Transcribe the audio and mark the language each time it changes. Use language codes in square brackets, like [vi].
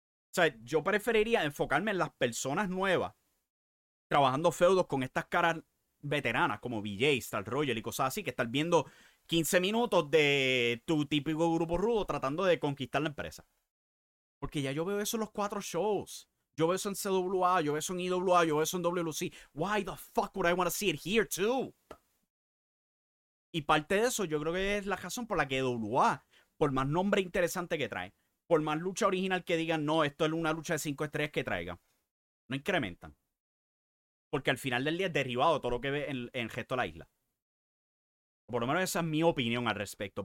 [es] O sea, yo preferiría enfocarme en las personas nuevas, trabajando feudos con estas caras veteranas como BJ, Star Royal y cosas así, que estar viendo 15 minutos de tu típico grupo rudo tratando de conquistar la empresa. Porque ya yo veo eso en los cuatro shows. Yo veo eso en CWA, yo veo eso en IWA, yo veo eso en WLC. [en] Why the fuck would I want to see it here too? [es] Y parte de eso yo creo que es la razón por la que WA, por más nombre interesante que trae, por más lucha original que digan, no, esto es una lucha de 5 estrellas que traiga, no incrementan. Porque al final del día es derivado todo lo que ve en el resto de la isla. Por lo menos esa es mi opinión al respecto.